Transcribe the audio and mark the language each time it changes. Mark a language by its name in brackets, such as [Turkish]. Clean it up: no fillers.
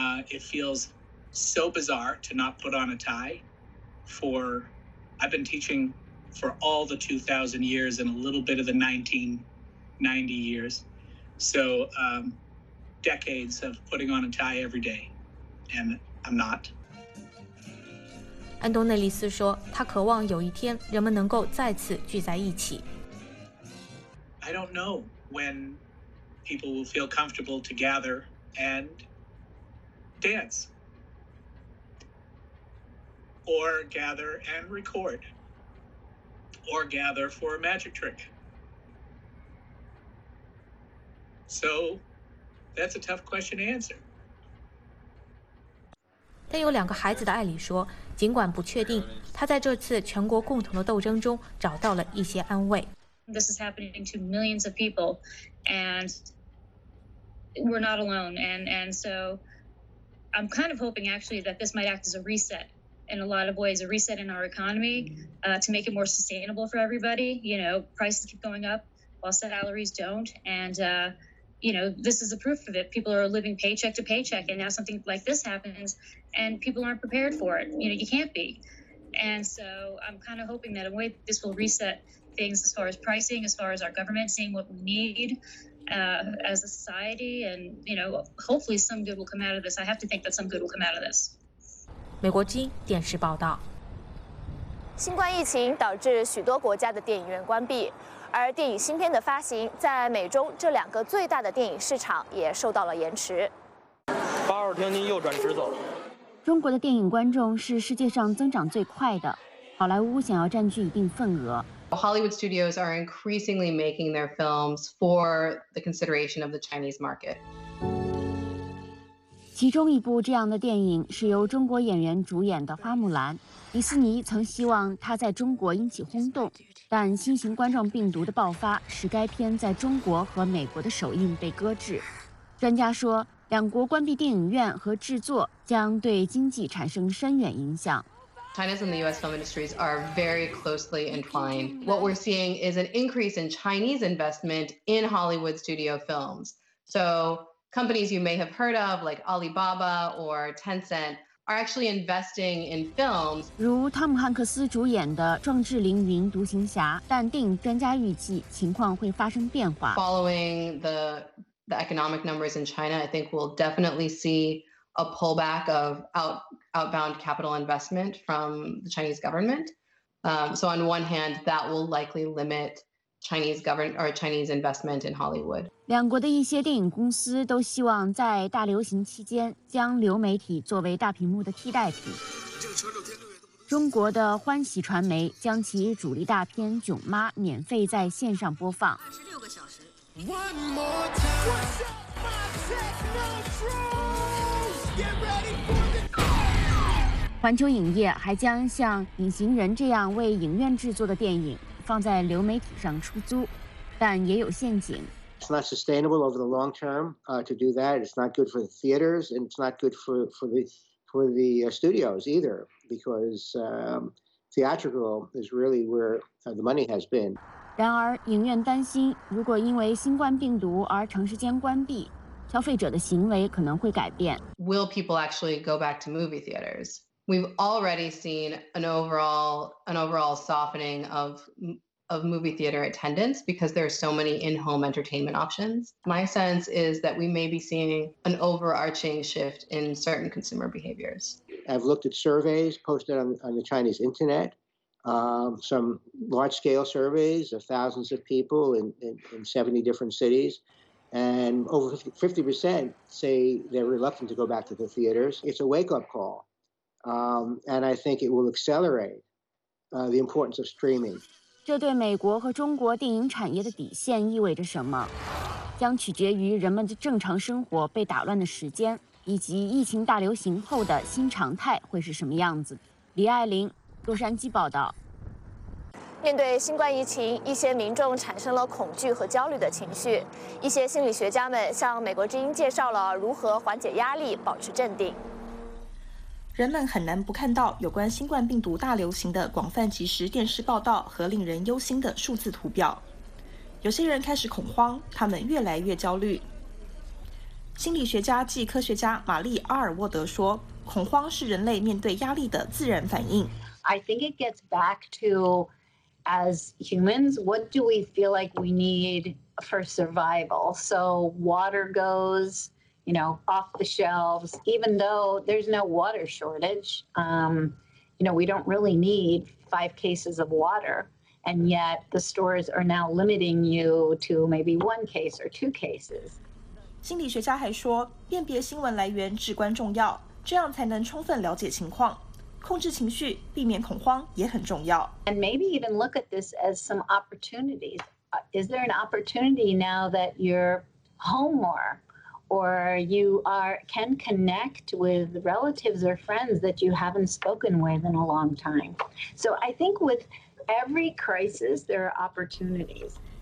[English] It feels so bizarre to not put on a tie. I've been teaching for all the 2000 years and a little bit of the 1990 years. So decades of putting on a tie every day, and I'm not. [Chinese] 安东内利斯说，他渴望有一天人们能够再次聚在一起。 [English] I don't know when people will feel comfortable to gather and dance. Or gather and record, or gather for a magic trick. So, that's a tough question to answer. [Chinese] 但有两个孩子的艾里说，尽管不确定，他在这次全国共同的斗争中找到了一些安慰。 [English] This is happening to millions of people, and we're not alone. And so, I'm kind of hoping actually that this might act as a reset. In a lot of ways, a reset in our economy, to make it more sustainable for everybody. You know, prices keep going up while salaries don't. And, you know, this is the proof of it. People are living paycheck to paycheck. And now something like this happens and people aren't prepared for it. You know, you can't be. And so I'm kind of hoping that in a way this will reset things as far as pricing, as far as our government, seeing what we need, as a society. And, you know, hopefully some good will come out of this. I have to think that some good will come out of this. [Chinese] 美国之音电视报道。新冠疫情导致许多国家的电影院关闭，而电影新片的发行在美中这两个最大的电影市场也受到了延迟。八号厅您右转直走。中国的电影观众是世界上增长最快的，好莱坞想要占据一定份额。 [English] Hollywood studios are increasingly making their films for the consideration of the Chinese market. [Chinese] 其中一部这样的电影是由中国演员主演的《花木兰》，迪士尼曾希望它在中国引起轰动，但新型冠状病毒的爆发使该片在中国和美国的首映被搁置。专家说，两国关闭电影院和制作将对经济产生深远影响。 [English] China's and the U.S. film industries are very closely entwined. What we're seeing is an increase in Chinese investment in Hollywood studio films. So. Companies you may have heard of, like Alibaba or Tencent, are actually investing in films. [Chinese] 如汤姆汉克斯主演的《壮志凌云：独行侠》，但电影专家预计情况会发生变化。 [English] Following the economic numbers in China, I think we'll definitely see a pullback of outbound capital investment from the Chinese government. So on one hand, that will likely limit. Chinese government or Chinese investment in Hollywood. [Chinese] 两国的一些电影公司都希望在大流行期间将流媒体作为大屏幕的替代品。中国的欢喜传媒将其主力大片《囧妈》免费在线上播放。环球影业还将像《隐形人》这样为影院制作的电影。放在流媒体上出租，但也有陷阱。 [English] It's not sustainable over the long term, to do that. It's not good for the theaters, and it's not good for the studios either, because theatrical is really where the money has been. [Chinese] 然而，影院担心，如果因为新冠病毒而长时间关闭，消费者的行为可能会改变。 [English] Will people actually go back to movie theaters? We've already seen an overall softening of movie theater attendance because there are so many in-home entertainment options. My sense is that we may be seeing an overarching shift in certain consumer behaviors. I've looked at surveys posted on the Chinese internet, some large-scale surveys of thousands of people in 70 different cities, and over 50% say they're reluctant to go back to the theaters. It's a wake-up call, and I think it will accelerate the importance of streaming. [Chinese] 这对美国和中国电影产业的底线意味着什么？将取决于人们的正常生活被打乱的时间，以及疫情大流行后的新常态会是什么样子。李爱玲，洛杉矶报道。面对新冠疫情，一些民众产生了恐惧和焦虑的情绪。一些心理学家们向美国之音介绍了如何缓解压力，保持镇定。人们很难不看到有关新冠病毒大流行的广泛即时电视报道和令人忧心的数字图表。有些人开始恐慌，他们越来越焦虑。心理学家暨科学家玛丽·阿尔沃德说，恐慌是人类面对压力的自然反应。 [English] I think it gets back to, as humans, what do we feel like we need for survival? So water goes... You know, off the shelves, even though there's no water shortage, you know, we don't really need 5 cases of water. And yet the stores are now limiting you to maybe 1 case or 2 cases. [Chinese] 心理学家还说，辨别新闻来源至关重要，这样才能充分了解情况。控制情绪，避免恐慌也很重要。 [English] And maybe even look at this as some opportunities. Is there an opportunity now that you're home more? Or you can connect with relatives or friends that you haven't spoken with in a long time. So I think with every crisis, there are opportunities.